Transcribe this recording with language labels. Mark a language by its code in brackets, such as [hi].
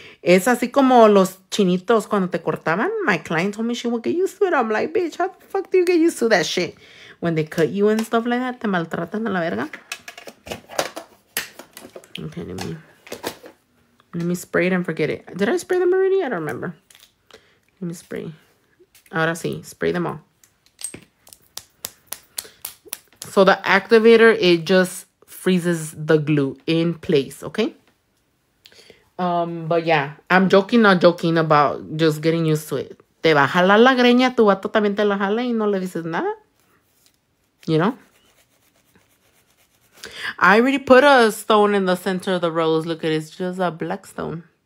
[es] Es así como los chinitos cuando te cortaban. [en] My client told me she would get used to it. I'm like, bitch, how the fuck do you get used to that shit? When they cut you and stuff like that, [es] te maltratan a la verga. [en] Okay, let me spray it and forget it. Did I spray them already? I don't remember. Let me spray. [es] Ahora sí, [en] spray them all. So the activator, it just freezes the glue in place, okay? But yeah, I'm joking, not joking about just getting used to it. [es] Te va a jalar la greña, tu vato también te la jala y no le dices nada. [en] You know? I already put a stone in the center of the rose. Look at it, it's just a black stone.